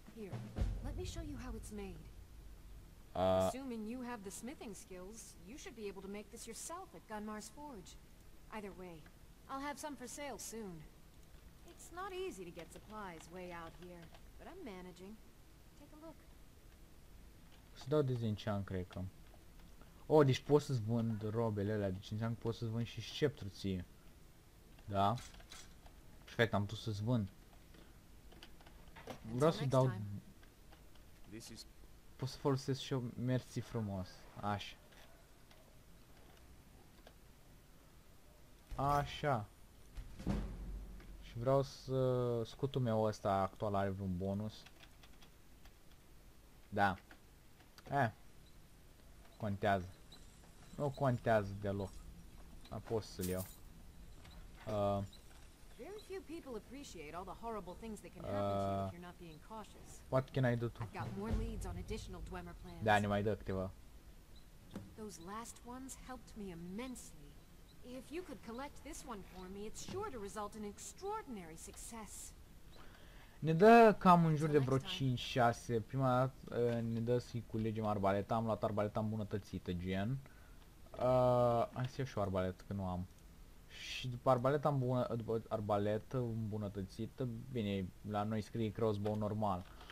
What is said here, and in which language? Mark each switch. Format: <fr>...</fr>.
<en>Here, let me show you how it's made. Assuming you have the smithing skills, you should be able to make this yourself at Gunmar's Forge. Either way, I'll have some for sale soon. It's not easy to get supplies way out here, but I'm managing. Take a look.</en> <ro>Să dau dezenchant, cred că. Oh, deci pot să-ți vând robele alea, deci înseamnă că pot să-ți vând și sceptru ție. Da? Perfect, am putut să-ți vând. Vreau să dau... Pot să folosesc și eu, mersi frumos. Așa. Așa. Și Vreau să... Scutul meu ăsta actual are vreun bonus. Da. Contează. Nu contează deloc. A pot să-l iau.</ro> <en>Very few people appreciate all the horrible things that can happen to you if you're not being cautious. What can I do to? I've got more leads on additional Dwemer plans.</en> <ro>Da, ne mai dă câteva.</ro> <en>Those last ones helped me immensely. If you could collect this one for me, it's sure to result in extraordinary success.</en> <ro>Ne dă cam în jur de vreo 5-6. Prima dată ne dă să-i culegem arbaleta. Am luat arbaleta îmbunătățită, gen. Hai să iau și o arbaletă, că nu am. Și după arbaleta îmbunătățită, bine, la noi scrie crossbow normal.</ro>